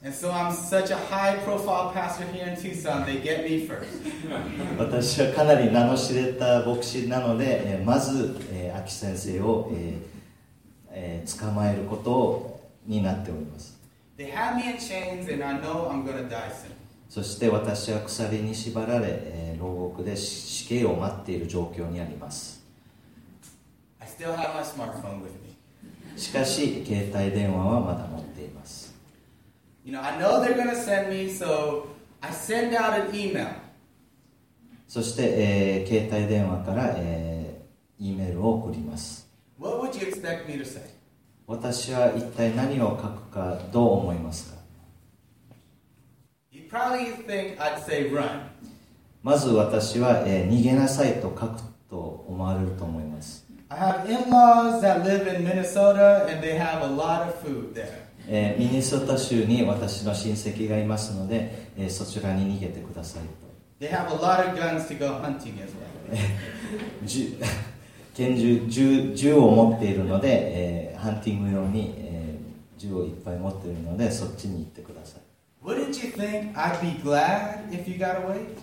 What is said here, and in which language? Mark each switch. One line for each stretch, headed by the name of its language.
English: And so I'm such a high profile pastor here in Tucson, they get me first.
Japanese: 私はかなり名の知れた牧師なので、まず、秋先生を、捕まえることになっております。
English: They have me in chains and I know I'm gonna die soon.
Japanese: そして私は鎖に縛られ、牢獄で死刑を待っている状況にあります。
English: I still have my smartphone with me.
Japanese: しかし、携帯電話はまだ持っています。
English: You know, I know they're gonna send me, so I send out an email.
Japanese: そして、携帯電話から、E メールを送ります。
English: What would you expect me to say?
Japanese: 私は一体何を書くかどう思いますか?
English: You probably think I'd say run.
Japanese: まず私は、逃げなさいと書くと思われると思います。
English: I have in-laws that live in Minnesota and they have a lot of food there.
Japanese: ミネソタ州に私の親戚がいますので、そちらに逃げてくださいと。
English: They have a lot of guns to go hunting as well.
Japanese: 銃を持っているので、ハンティング用に、銃をいっぱい持っているのでそっちに行ってください。
English: Wouldn't you think I'd be glad if you got away?、